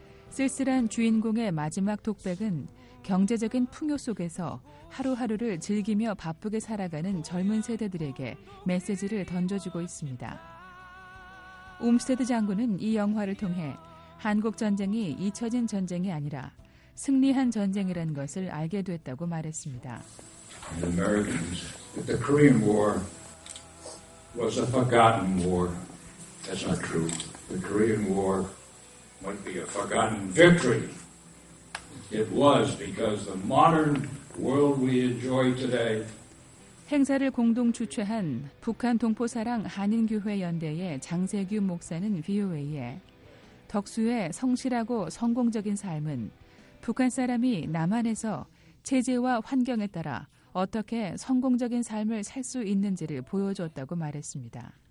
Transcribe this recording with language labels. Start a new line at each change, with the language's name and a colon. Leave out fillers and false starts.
Korean: 쓸쓸한 주인공의 마지막 독백은 경제적인 풍요 속에서 하루하루를 즐기며 바쁘게 살아가는 젊은 세대들에게 메시지를 던져주고 있습니다. 옴스테드 장군은 이 영화를 통해 한국 전쟁이 잊혀진 전쟁이 아니라 승리한 전쟁이라는 것을 알게 됐다고 말했습니다.
English: The Americans, the Korean War was a forgotten war. That's not true. The Korean War might be a forgotten victory. It was because the modern world we enjoy today.
Korean: 행사를 공동 주최한 북한 동포사랑 한인교회 연대의 장세규 목사는 VOA에 덕수의 성실하고 성공적인 삶은 북한 사람이 남한에서 체제와 환경에 따라 어떻게 성공적인 삶을 살 수 있는지를 보여줬다고 말했습니다.